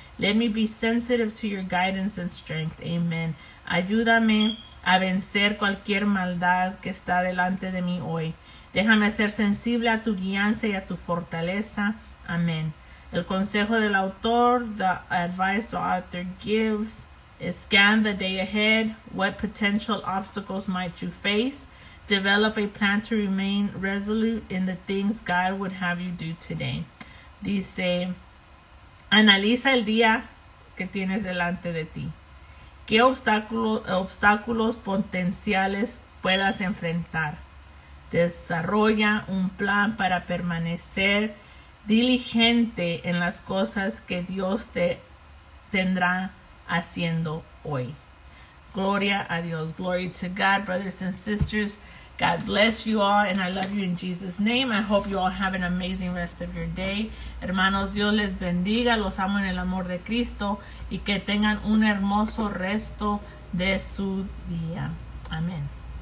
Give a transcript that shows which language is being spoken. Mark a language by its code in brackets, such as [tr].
[en] Let me be sensitive to your guidance and strength. Amen. [es] Ayúdame a vencer cualquier maldad que está delante de mí hoy. Déjame ser sensible a tu guianza y a tu fortaleza. [en] Amen. [es] El consejo del autor, [en] the advice the author gives, is scan the day ahead. What potential obstacles might you face? Develop a plan to remain resolute in the things God would have you do today. [es] Dice, analiza el día que tienes delante de ti. ¿Qué obstáculos potenciales puedas enfrentar? Desarrolla un plan para permanecer diligente en las cosas que Dios te tendrá haciendo hoy. Gloria a Dios. [en] Glory to God, brothers and sisters. God bless you all, and I love you in Jesus' name. I hope you all have an amazing rest of your day. [es] Hermanos, Dios les bendiga. Los amo en el amor de Cristo. Y que tengan un hermoso resto de su día. Amén.